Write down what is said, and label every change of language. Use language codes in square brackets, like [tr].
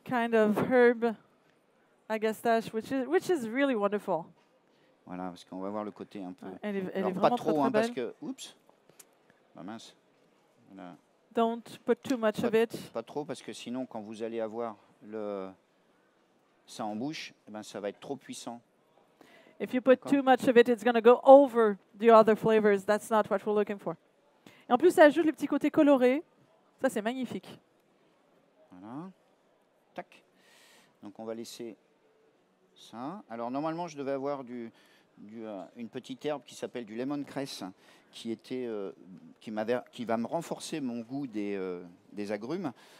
[en] Kind of herb, agastache, which is really wonderful. [fr] Voilà, parce qu'on va voir le côté un peu. Elle est pas trop, très parce que. Oups. Bah mince. [en] Voilà. Don't put too much of it. [fr] Pas trop, parce que sinon, quand vous allez avoir ça en bouche, eh ben, ça va être trop puissant. [en] If you put too much of it, it's going to go over the other flavors. That's not what we're looking for. [fr] Et en plus, ça ajoute le petit côté coloré. Ça, c'est magnifique. Voilà. Tac. Donc, on va laisser. Ça. Alors normalement, je devais avoir une petite herbe qui s'appelle du lemoncress, qui va me renforcer mon goût des agrumes.